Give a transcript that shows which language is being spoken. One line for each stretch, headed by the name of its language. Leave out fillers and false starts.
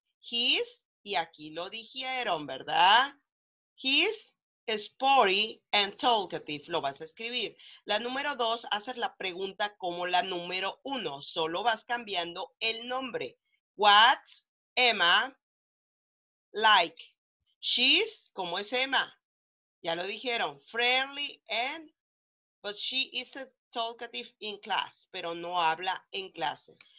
English: He's,
Spanish: y aquí lo dijeron, ¿verdad?
English: He's sporty and talkative.
Spanish: Lo vas a escribir. La número dos, hacer la pregunta como la número uno. Solo vas cambiando el nombre.
English: What's Emma like? She's,
Spanish: ¿cómo es Emma? Ya lo dijeron,
English: friendly and, but she is a talkative in class,
Spanish: pero no habla en clase.